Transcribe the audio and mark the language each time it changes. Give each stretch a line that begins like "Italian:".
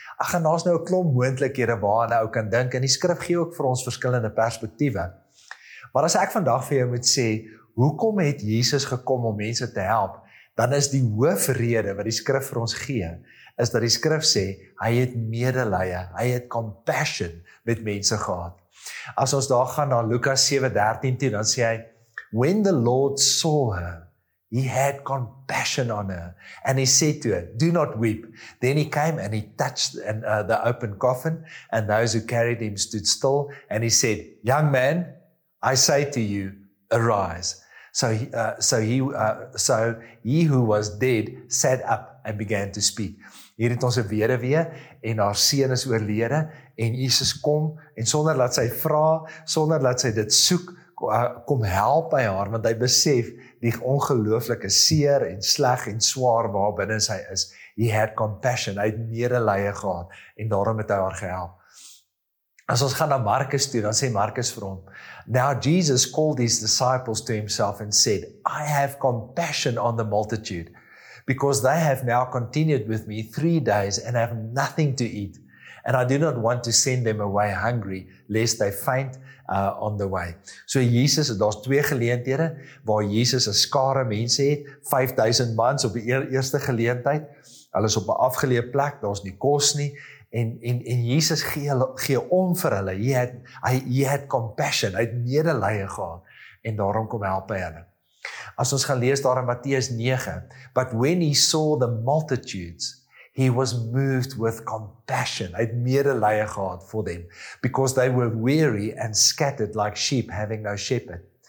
Afrikaans: Ag, en daar's nou 'n klomp moontlikhede waaraan 'n ou kan dink, en die skrif gee ook vir ons verskillende perspektiewe. Maar as ek vandag vir jou moet sê, hoekom het Jesus gekom om mense te help, dan is die hoofrede wat die skrif vir ons gee, is dat die skrif sê, hy het medelee, hy het
English: compassion
Afrikaans: met mense gehad. As ons daar gaan na Lukas 7:13 toe, dan sê hy,
English: when the Lord saw her, he had compassion on her, and he said to her, do not weep. Then he came and he touched the open coffin, and those who carried him stood still, and he said, young man, I say to you, arise. So he who was dead sat up and began to speak.
Afrikaans: Hier het ons 'n weduwee en haar seun is oorlede, en Jesus kom, en sonder dat sy vra, sonder dat sy dit soek, kom help by haar, want hy besef die ongelooflike seer en sleg en swaar waar binne sy is.
English: He had compassion,
Afrikaans: hy het medelee gehad, en daarom het hy haar gehelp. As ons gaan na Markus toe, dan sê Markus vir hom,
English: now Jesus called his disciples to himself and said, I have compassion on the multitude, because they have now continued with me 3 days and have nothing to eat, and I do not want to send them away hungry, lest they faint on the way.
Afrikaans: So Jesus, daar's 2 geleenthede waar Jesus 'n skare mense het, 5000 mans op die eerste geleentheid. Hulle is op 'n afgeleë plek, daar's nie kos nie, en Jesus gee om vir hulle.
English: He had compassion,
Afrikaans: hy het medelee gehad, en daarom kom help hy hulle. As ons gaan lees daar in Matteus 9,
English: but when he saw the multitudes, he was moved with compassion.
Afrikaans: Hy het medelee gehad
English: for them, because they were weary and scattered like sheep having no shepherd.